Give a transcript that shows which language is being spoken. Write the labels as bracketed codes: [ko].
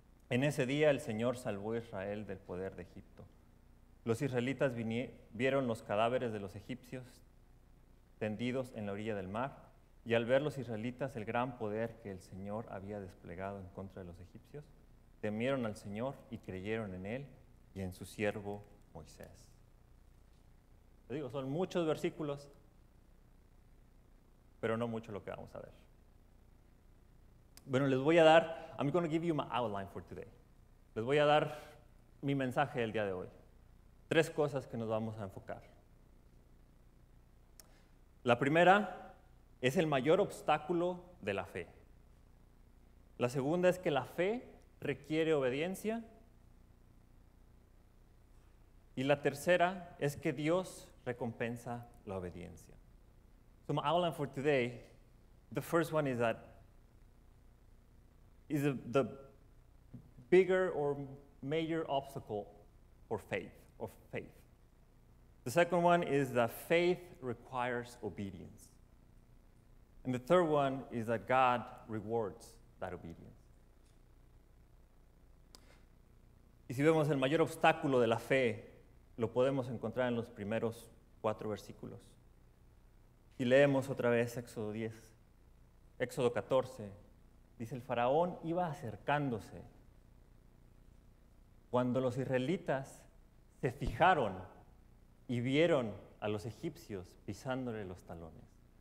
[es] En ese día el Señor salvó a Israel del poder de Egipto. Los israelitas vieron los cadáveres de los egipcios tendidos en la orilla del mar, y al ver los israelitas el gran poder que el Señor había desplegado en contra de los egipcios, temieron al Señor y creyeron en él y en su siervo Moisés. Te digo, son muchos versículos, pero no mucho lo que vamos a ver. Bueno, les voy a dar, [en] I'm going to give you my outline for today. [es] Les voy a dar mi mensaje del día de hoy. Tres cosas que nos vamos a enfocar. La primera es el mayor obstáculo de la fe. La segunda es que la fe requiere obediencia. Y la tercera es que Dios recompensa la obediencia. [en] So my outline for today, the first one is that is the bigger or major obstacle for faith, of faith. The second one is that faith requires obedience. And the third one is that God rewards that obedience. [es] Y si vemos el mayor obstáculo de la fe, lo podemos encontrar en los primeros cuatro versículos. Y leemos otra vez Éxodo 10, Éxodo 14. Dice, el faraón iba acercándose cuando los israelitas se fijaron y vieron a los egipcios pisándole los talones.